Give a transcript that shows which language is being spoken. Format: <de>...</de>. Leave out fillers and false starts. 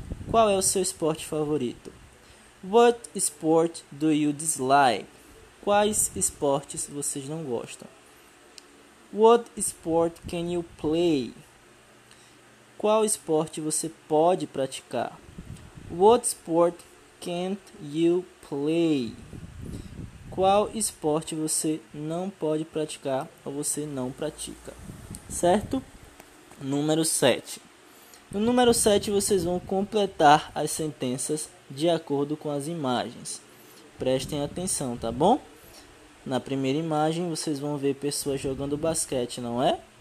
<pt>Qual é o seu esporte favorito?</pt> <en>What sport do you dislike?</en> <pt>Quais esportes vocês não gostam?</pt> <en>What sport can you play?</en> <pt>Qual esporte você pode praticar?</pt> <en>What sport can't you play?</en> <pt>Qual esporte você não pode praticar ou você não pratica? Certo? Número 7. No número 7, vocês vão completar as sentenças de acordo com as imagens. Prestem atenção, tá bom? Na primeira imagem, vocês vão ver pessoas jogando basquete, não é?</pt>